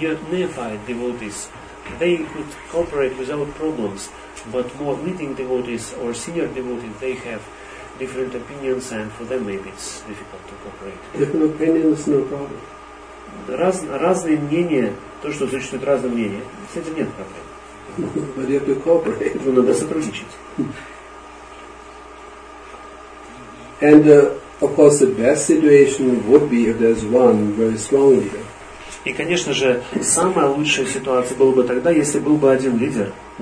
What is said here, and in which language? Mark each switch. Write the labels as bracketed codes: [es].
[en] Neophyte devotees, they could cooperate without problems, but more leading devotees or senior devotees, they have different opinions, and for them maybe it's difficult to cooperate. Different opinions, no problem. [ru] Разные мнения, то, что существует разное мнение, с этим нет проблем. [en] But you have to cooperate. [ru] Надо сотрудничать. [en] And of course the best situation would be if there's one very strong leader. [ru] И, конечно же, самая лучшая ситуация была бы тогда, если был бы один лидер.